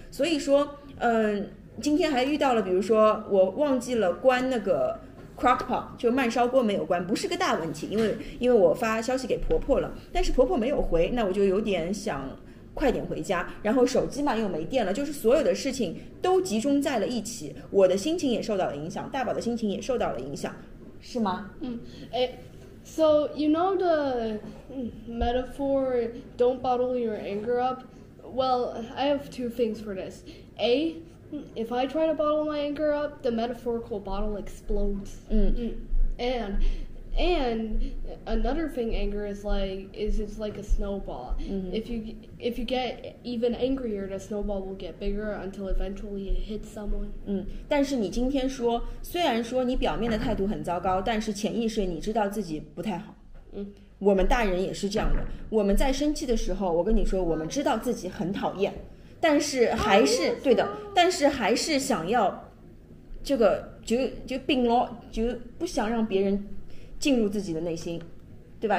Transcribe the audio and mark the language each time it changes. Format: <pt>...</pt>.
<zh>所以说，今天还遇到了，比如说我忘记了关那个 crockpot， 就慢烧锅没有关，不是个大问题，因为我发消息给婆婆了，但是婆婆没有回，那我就有点想快点回家，然后手机嘛又没电了，就是所有的事情都集中在了一起，我的心情也受到了影响，大宝的心情也受到了影响，是吗？嗯，哎。</zh> <en>So, you know the metaphor, don't bottle your anger up? Well, I have two things for this. A, if I try to bottle my anger up, the metaphorical bottle explodes. Mm. Mm. And another thing anger is like a snowball. Mm-hmm. If you get even angrier, the snowball will get bigger until eventually it hits someone.</en> <zh>但是你今天说，虽然说你表面的态度很糟糕，但是潜意识你知道自己不太好。我们大人也是这样的，我们在生气的时候，我跟你说，我们知道自己很讨厌，但是还是对的，但是还是想要这个就病了，就不想让别人进入自己的内心，对吧？</zh>